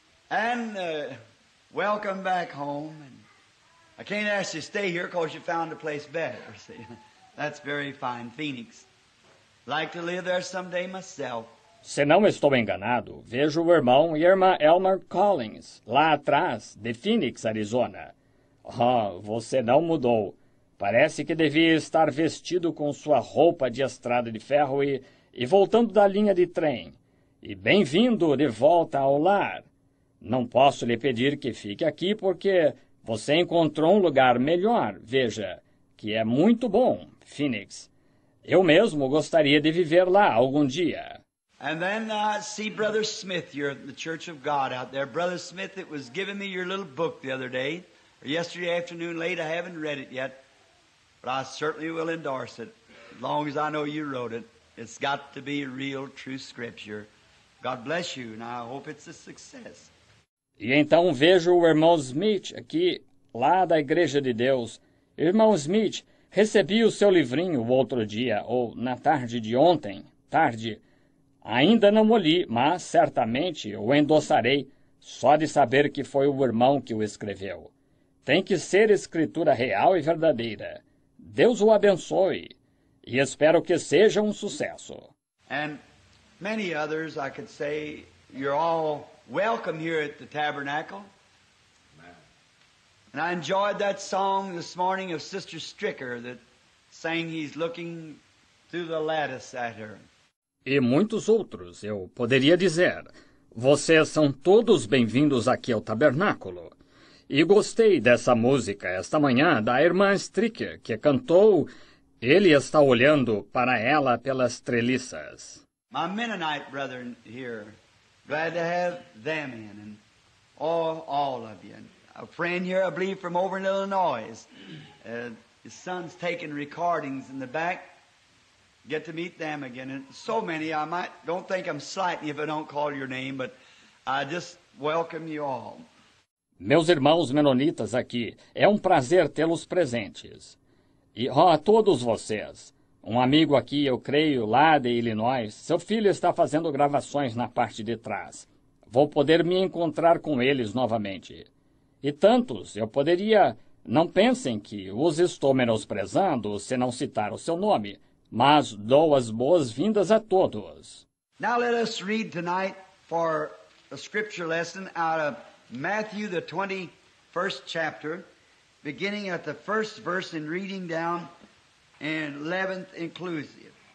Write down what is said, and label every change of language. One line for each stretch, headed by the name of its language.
English: And welcome back home. And I can't ask you to stay here because you found a place better. See, that's very fine, Phoenix. Like to live there someday myself.
Portuguese: Se não estou enganado, vejo o irmão e irmã Elmer Collins, lá atrás, de Phoenix, Arizona. Oh, você não mudou. Parece que devia estar vestido com sua roupa de estrada de ferro e voltando da linha de trem. E bem-vindo de volta ao lar. Não posso lhe pedir que fique aqui porque você encontrou um lugar melhor, veja, que é muito bom, Phoenix. Eu mesmo gostaria de viver lá algum dia.
English: And then I see Brother Smith here at the Church of God out there. Brother Smith, it was giving me your little book the other day, or yesterday afternoon late. I haven't read it yet, but I certainly will endorse it, as long as I know you wrote it. It's got to be real, true scripture. God bless you, and I hope it's a success.
Portuguese: E então vejo o irmão Smith aqui, lá da Igreja de Deus. Irmão Smith, Recebi o seu livrinho o outro dia, ou na tarde de ontem, tarde. Ainda não o li, mas certamente o endossarei, só de saber que foi o irmão que o escreveu. Tem que ser escritura real e verdadeira. Deus o abençoe, e espero que seja um sucesso.
English: And many others, I could say, you're all welcome here at the Tabernacle. And I enjoyed that song this morning of Sister Stricker that sang he's looking through the lattice at her.
Portuguese: E muitos outros, eu poderia dizer. Vocês são todos bem-vindos aqui ao Tabernáculo. E gostei dessa música esta manhã da irmã Stricker, que cantou Ele está olhando para ela pelas treliças.
English: My Mennonite brethren here, glad to have them in, and all of you. A friend here, I believe, from over in Illinois. His son's taking recordings in the back. Get to meet them again. And so many, I might don't think I'm slighting you if I don't call your name, but I just welcome you all.
Portuguese: Meus irmãos menonitas aqui, é um prazer tê-los presentes. E ó, a todos vocês, um amigo aqui, eu creio, lá de Illinois, seu filho está fazendo gravações na parte de trás. Vou poder me encontrar com eles novamente. E tantos, eu poderia, não pensem que os estou menosprezando se não citar o seu nome, mas dou as boas-vindas a todos.
English: Now let us read tonight for a scripture lesson out of Matthew, the 21st chapter, beginning at the first verse and reading down and 11th inclusive.